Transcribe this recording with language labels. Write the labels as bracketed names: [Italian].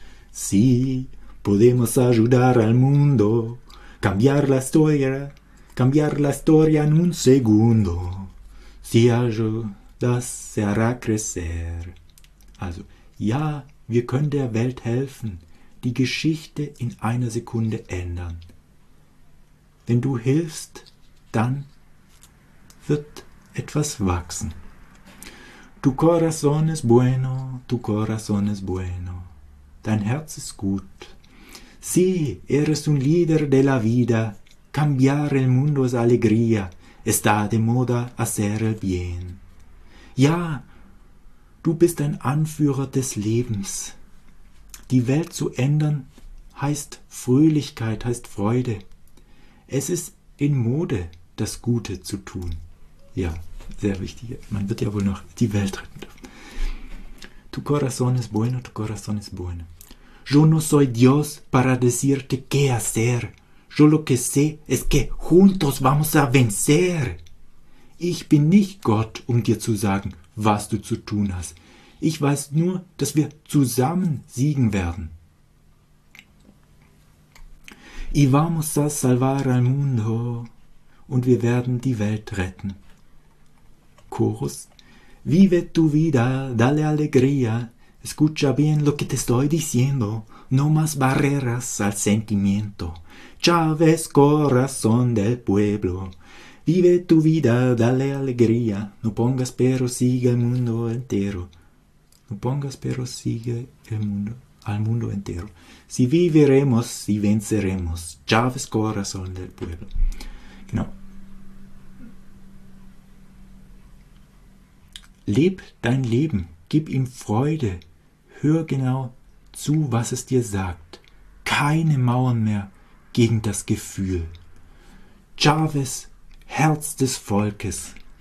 [Spanish] Sí, podemos ayudar al mundo, cambiar la historia en un segundo. Si ayudas, se hará crecer. [German] Also, ja, wir können der Welt helfen. Die Geschichte in einer Sekunde ändern. Wenn du hilfst, dann wird etwas wachsen. [Spanish] Tu corazón es bueno, tu corazón es bueno. [German] Dein Herz ist gut. [Spanish] Sí, eres un líder de la vida. Cambiar el mundo es alegría. Está de moda hacer el bien. [German] Ja, du bist ein Anführer des Lebens. Die Welt zu ändern heißt Fröhlichkeit, heißt Freude. Es ist in Mode, das Gute zu tun. Ja, sehr wichtig. Man wird ja wohl noch die Welt retten dürfen. [Spanish] Tu corazón es bueno, tu corazón es bueno. Yo no soy Dios para decirte qué hacer. Yo lo que sé es que juntos vamos a vencer. [German] Ich bin nicht Gott, um dir zu sagen, was du zu tun hast. Ich weiß nur, dass wir zusammen siegen werden. [Spanish] Y vamos a salvar al mundo. [German] Und wir werden die Welt retten. [Spanish] Chorus. Vive tu vida, dale alegría. Escucha bien lo que te estoy diciendo. No más barreras al sentimiento. Chávez, corazón del pueblo. Vive tu vida, dale alegría. No pongas pero sigue al mundo entero. No pongas pero sigue el mundo, al mundo entero. Si viviremos, si venceremos. Chávez, corazón del pueblo. [German] Genau. Leb dein Leben, gib ihm Freude. Hör genau zu, was es dir sagt. Keine Mauern mehr gegen das Gefühl. Chávez, Herz des Volkes.